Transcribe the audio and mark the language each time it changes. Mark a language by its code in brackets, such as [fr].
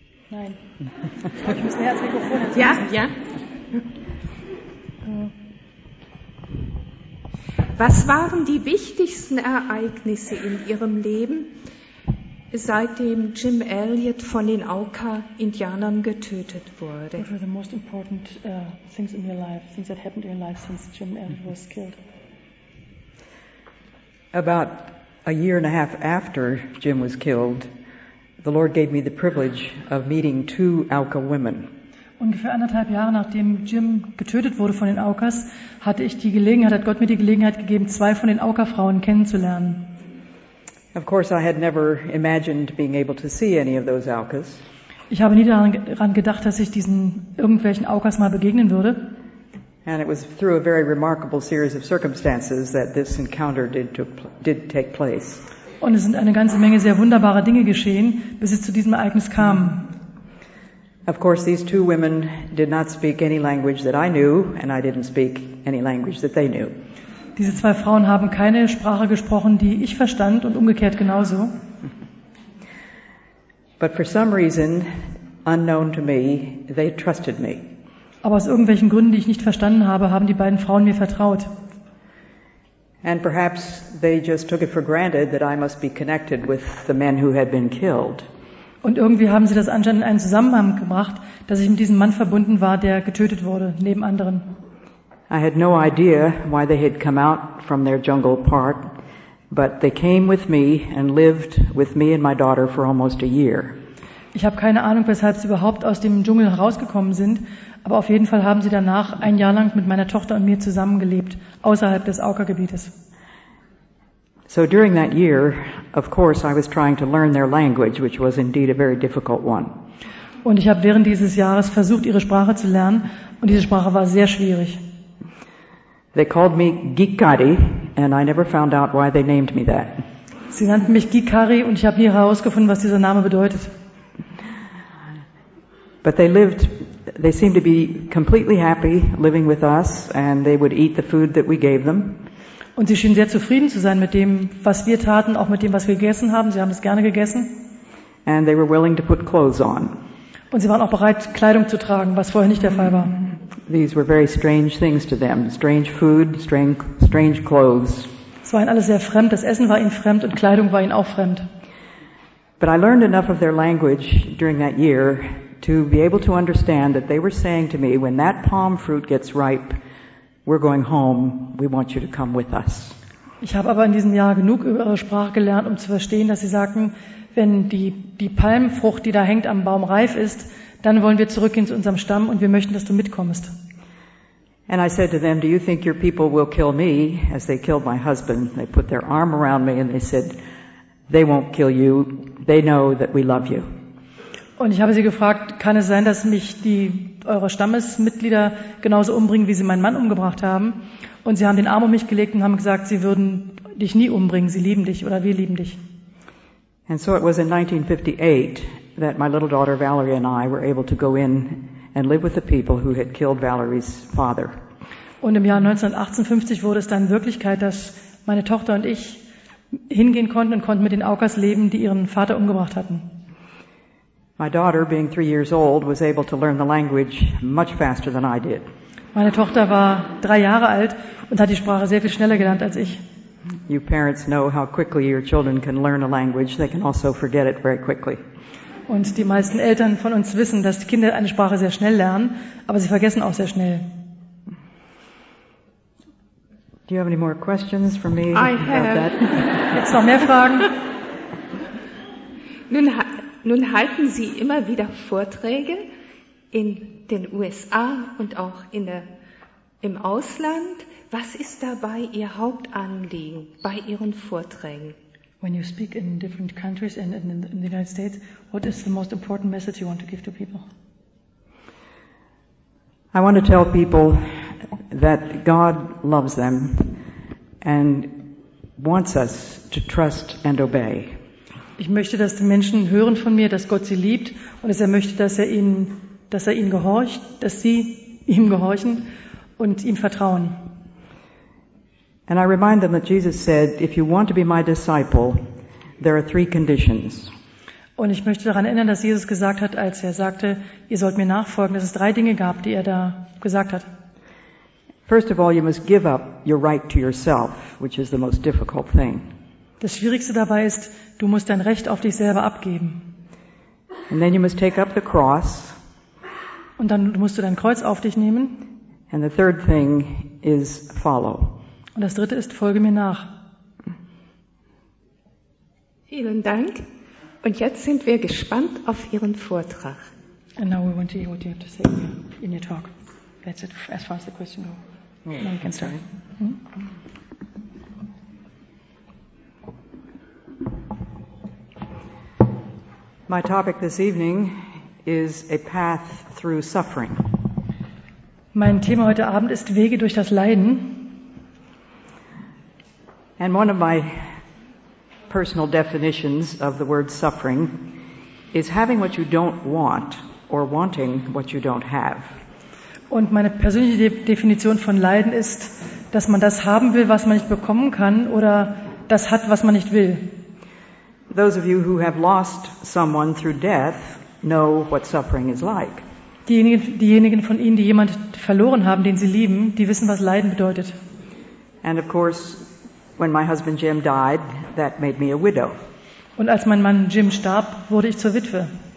[de] Nein. Ich muss mir das Mikrofon erzählen. Ja, ja. Was waren die wichtigsten Ereignisse in Ihrem Leben, seitdem Jim Elliott von den Auka-Indianern getötet wurde? [en] What were the most important things in your life, things that happened in your life since Jim Elliott was killed? About a year and a half after Jim was killed, the Lord gave me the privilege of meeting two Auka women. [de] Ungefähr anderthalb Jahre nachdem Jim getötet wurde von den Aukas, hatte ich die Gelegenheit, hat Gott mir die Gelegenheit gegeben, zwei von den Auka-Frauen kennenzulernen. [en] Of course, I had never imagined being able to see any of those Aukas. [de] Ich habe nie daran gedacht, dass ich diesen irgendwelchen Aukas mal begegnen würde. [en] And it was through a very remarkable series of circumstances that this encounter did take place. [de] Und es sind eine ganze Menge sehr wunderbarer Dinge geschehen, bis es zu diesem Ereignis kam. [en] Of course, these two women did not speak any language that I knew, and I didn't speak any language that they knew. [de] Diese zwei Frauen haben keine Sprache gesprochen, die ich verstand, und umgekehrt genauso. [en] But for some reason, unknown to me, they trusted me. [de] Aber aus irgendwelchen Gründen, die ich nicht verstanden habe, haben die beiden Frauen mir vertraut. [en] And perhaps they just took it for granted that I must be connected with the men who had been killed. [de] Und irgendwie haben sie das anscheinend in einen Zusammenhang gebracht, dass ich mit diesem Mann verbunden war, der getötet wurde, neben anderen. [en] I had no idea why they had come out from their jungle park, but they came with me and lived with me and my daughter for almost a year. [de] Ich habe keine Ahnung, weshalb sie überhaupt aus dem Dschungel herausgekommen sind, aber auf jeden Fall haben sie danach ein Jahr lang mit meiner Tochter und mir zusammengelebt, außerhalb des Auka-Gebietes. [en] So during that year, of course, I was trying to learn their language, which was indeed a very difficult one. [de] Und ich habe während dieses Jahres versucht, ihre Sprache zu lernen, und diese Sprache war sehr schwierig. [en] They called me Gikari, and I never found out why they named me that. [de] Sie nannten mich Gikari, und ich habe nie herausgefunden, was dieser Name bedeutet. [en] But they seemed to be completely happy living with us, and they would eat the food that we gave them. [de] Und sie schienen sehr zufrieden zu sein mit dem, was wir taten, auch mit dem, was wir gegessen haben. Sie haben es gerne gegessen. [en] And they were willing to put clothes on. [de] Und sie waren auch bereit, Kleidung zu tragen, was vorher nicht der Fall war. [en] These were very strange things to them. Strange food, strange clothes. [de] Es war ihnen alles sehr fremd. Das Essen war ihnen fremd und Kleidung war ihnen auch fremd. [en] But I learned enough of their language during that year to be able to understand that they were saying to me, when that palm fruit gets ripe, we're going home. We want you to come with us. [de] Ich habe aber in diesem Jahr genug über ihre Sprache gelernt, um zu verstehen, dass sie sagten, wenn die Palmfrucht, die da hängt am Baum, reif ist, dann wollen wir zurückgehen zu unserem Stamm und wir möchten, dass du mitkommst. [en] And I said to them, do you think your people will kill me as they killed my husband? They put their arm around me and they said, they won't kill you. They know that we love you. [de] Und ich habe sie gefragt, kann es sein, dass mich die eure Stammesmitglieder genauso umbringen, wie sie meinen Mann umgebracht haben? Und sie haben den Arm um mich gelegt und haben gesagt, sie würden dich nie umbringen, sie lieben dich oder wir lieben dich. [en] And so it was in 1958 that my little daughter Valerie and I were able to go in and live with the people who had killed Valerie's father. [de] Und im Jahr 1958 wurde es dann Wirklichkeit, dass meine Tochter und ich hingehen konnten und konnten mit den Aukas leben, die ihren Vater umgebracht hatten. [en] My daughter, being 3 years old, was able to learn the language much faster than I did. [de] Meine Tochter war 3 Jahre alt und hat die Sprache sehr viel schneller gelernt als ich. [en] You parents know how quickly your children can learn a language. They can also forget it very quickly. [de] Und die meisten Eltern von uns wissen, dass die Kinder eine Sprache sehr schnell lernen, aber sie vergessen auch sehr schnell. [en] Do you have any more questions for me? I have. About that? [de] Jetzt noch mehr Fragen? Nun halten Sie immer wieder Vorträge in den USA und auch im Ausland. Was ist dabei Ihr Hauptanliegen bei Ihren Vorträgen? [en] When you speak in different countries and in the United States, what is the most important message you want to give to people? I want to tell people that God loves them and wants us to trust and obey. [de] Ich möchte, dass die Menschen hören von mir, dass Gott sie liebt und dass er möchte, dass er ihnen gehorcht, dass sie ihm gehorchen und ihm vertrauen. [en] And I remind them that Jesus said, if you want to be my disciple, there are three conditions. [de] Und ich möchte daran erinnern, dass Jesus gesagt hat, als er sagte, ihr sollt mir nachfolgen, dass es drei Dinge gab, die er da gesagt hat. [en] First of all, you must give up your right to yourself, which is the most difficult thing. [de] Das Schwierigste dabei ist, du musst dein Recht auf dich selber abgeben. [en] And then you must take up the cross. [de] Und dann musst du dein Kreuz auf dich nehmen. [en] And the third thing is follow. [de] Und das Dritte ist, folge mir nach. Vielen Dank. Und jetzt sind wir gespannt auf Ihren Vortrag. [en] And now we want to hear what you have to say in your talk. That's it, as far as the question goes. Now you can start. My topic this evening is a path through suffering. [de] Mein Thema heute Abend ist Wege durch das Leiden. [en] And one of my personal definitions of the word suffering is having what you don't want or wanting what you don't have. [de] Und meine persönliche Definition von Leiden ist, dass man das haben will, was man nicht bekommen kann, oder das hat, was man nicht will. [en] Those of you who have lost someone through death know what suffering is like. [de] Diejenigen von Ihnen, die jemand verloren haben, den sie lieben, die wissen, was Leiden bedeutet. [en] And of course, when my husband Jim died, that made me a widow. [de] Und als mein Mann Jim starb, wurde ich zur Witwe.